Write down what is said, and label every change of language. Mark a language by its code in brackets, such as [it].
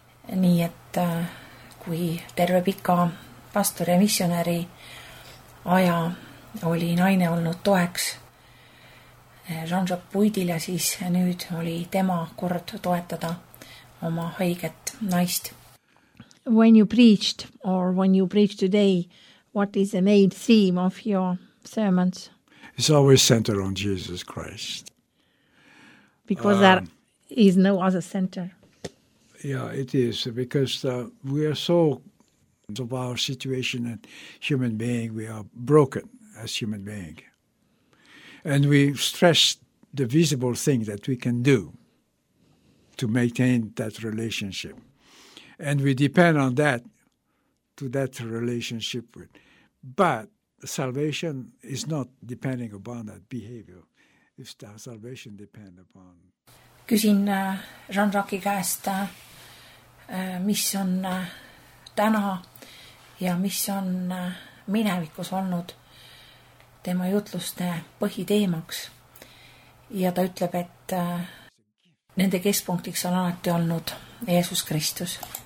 [et] Nii et kui terve pika pastori ja missionäri aja oli naine olnud toeks Jean-Jacques Puidile, siis nüüd oli tema kord toetada oma haiget naist. [en] When you preached or when you preach today, what is the main theme of your sermons? It's always centered on Jesus Christ. Because there is no other center. Yeah, it is, because we are so of our situation and human being, we are broken as human being. And we stress the visible thing that we can do to maintain that relationship. And we depend on that, to that relationship. But salvation is not depending upon that behavior. If the salvation depend upon... [et] Küsin Jean-Jacques'i käest, mis on täna ja mis on minevikus olnud tema jutluste põhiteemaks. Ja ta ütleb, et nende keskpunktiks on alati olnud Jeesus Kristus.